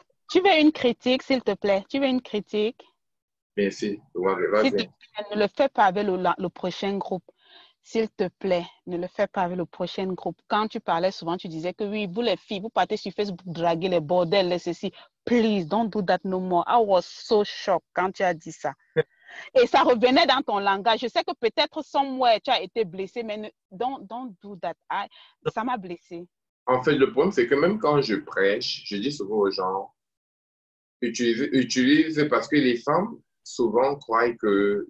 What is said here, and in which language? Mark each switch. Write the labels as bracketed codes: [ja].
[fr] Tu veux une critique, s'il te plaît? Tu veux une critique? Merci. Ne le fais pas avec le prochain groupe. S'il te plaît, ne le fais pas avec le prochain groupe. Quand tu parlais souvent, tu disais que oui, vous les filles, vous partez sur Facebook draguer les bordels, les ceci. [en] Please, don't do that no more. I was so shocked [fr] quand tu as dit ça. Et ça revenait dans ton langage. Je sais que peut-être somewhere tu as été blessée, mais [en] don't do that. [fr] Ça m'a blessée. En fait, le problème, c'est que même quand je prêche, je dis souvent aux gens, utilisez, parce que les femmes souvent croient que...